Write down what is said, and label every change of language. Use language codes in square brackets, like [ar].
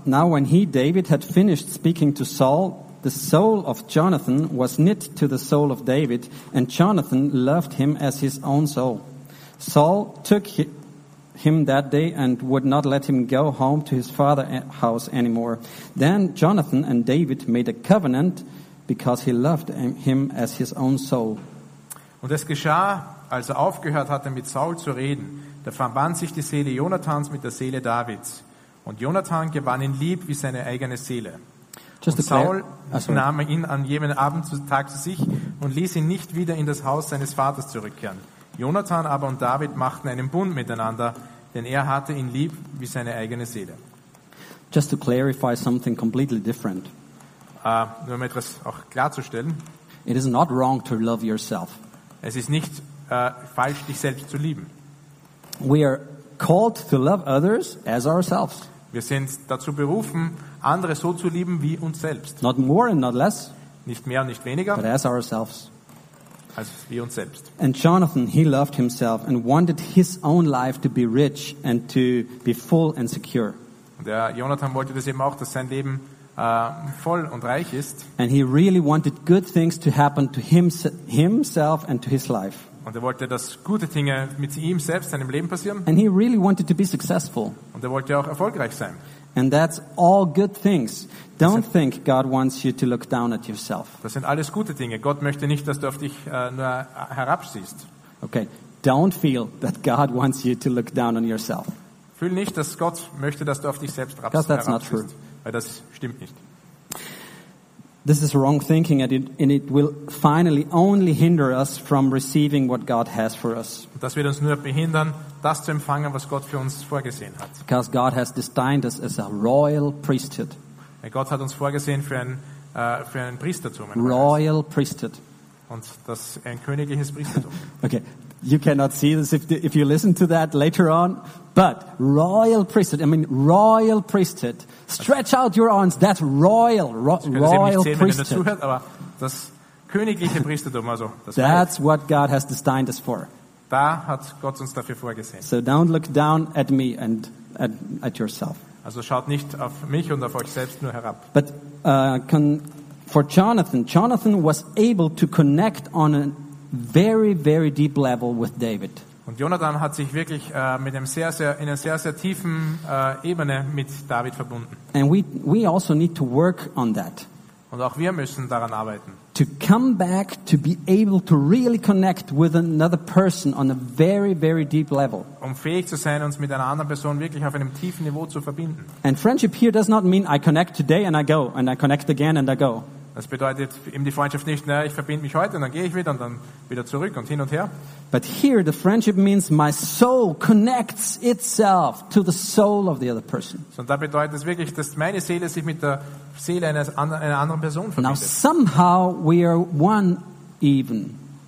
[en] Now when he, David, had finished speaking to Saul, the soul of Jonathan was knit to the soul of David, and Jonathan loved him as his own soul. Saul took him that day and would not let him go home to his father's house anymore. Then Jonathan and David made a covenant because he loved him as his own soul. [de] Und es geschah, als er aufgehört hatte, mit Saul zu reden, da verband sich die Seele Jonathans mit der Seele Davids. Und Jonathan gewann ihn lieb wie seine eigene Seele. Und Saul nahm ihn an jenem Abendtag zu sich und ließ ihn nicht wieder in das Haus seines Vaters zurückkehren. Jonathan aber und David machten einen Bund miteinander, denn er hatte ihn lieb wie seine eigene Seele. [en] Just to clarify something completely different. [de] Nur um etwas auch klarzustellen. [en] It is not wrong to love yourself. [de] Es ist nicht falsch, dich selbst zu lieben. [en] We are called to love others as ourselves. [de] Wir sind dazu berufen, andere so zu lieben wie uns selbst. [en] Not more and not less. [de] Nicht mehr und nicht weniger. [en] But as ourselves. [de] Als wie uns selbst. [en] And Jonathan, he loved himself and wanted his own life to be rich and to be full and secure. [de] Der Jonathan wollte das eben auch, dass sein Leben voll und reich ist. [en] And he really wanted good things to happen to himself and to his life. [de] Und er wollte, dass gute Dinge mit ihm selbst, seinem Leben passieren. [en] And he really wanted to be successful. [de] Und er wollte auch erfolgreich sein. [en] And that's all good things. Don't think God wants you to look down at yourself. [de] Das sind alles gute Dinge. Gott möchte nicht, dass du auf dich nur herabsiehst. [en] Okay. Don't feel that God wants you to look down on yourself. [de] Fühl nicht, dass Gott möchte, dass du auf dich selbst herabsiehst. [en] That's not true. [de] Weil das stimmt nicht. [en] This is wrong thinking, and it will finally only hinder us from receiving what God has for us. [de] Das wird uns nur behindern, das zu empfangen, was Gott für uns vorgesehen hat. [en] Because God has destined us as a royal priesthood. [de] Gott hat uns vorgesehen für ein Priestertum. [en] Royal priesthood. [de] Und das ein königliches Priestertum. [en] Okay, you cannot see this if you listen to that later on, but royal priesthood. I mean, royal priesthood. Stretch out your arms. That's royal, royal priesthood. [de] Zuhört, aber das königliche Priestertum, also das [en] that's Reich. What God has destined us for. [de] Da hat Gott uns dafür vorgesehen. [en] So don't look down at me and at yourself. [de] Also schaut nicht auf mich und auf euch selbst nur herab. [en] But for Jonathan was able to connect on a very, very deep level with David. [de] Und Jonathan hat sich wirklich mit einem sehr, sehr in einer sehr, sehr tiefen Ebene mit David verbunden. [en] And we also need to work on that. [de] Und auch wir müssen daran arbeiten. [en] To come back to be able to really connect with another person on a very, very deep level. [de] Um fähig zu sein, uns mit einer anderen Person wirklich auf einem tiefen Niveau zu verbinden. [en] And friendship here does not mean I connect today and I go and I connect again and I go. [de] Das bedeutet eben die Freundschaft nicht, na, ich verbinde mich heute und dann gehe ich wieder und dann wieder zurück und hin und her. [en] But here the friendship means my soul connects itself to the soul of the other person. [de] So, da bedeutet es wirklich, dass meine Seele sich mit der Seele einer anderen Person verbindet. [en] Now somehow we are one even.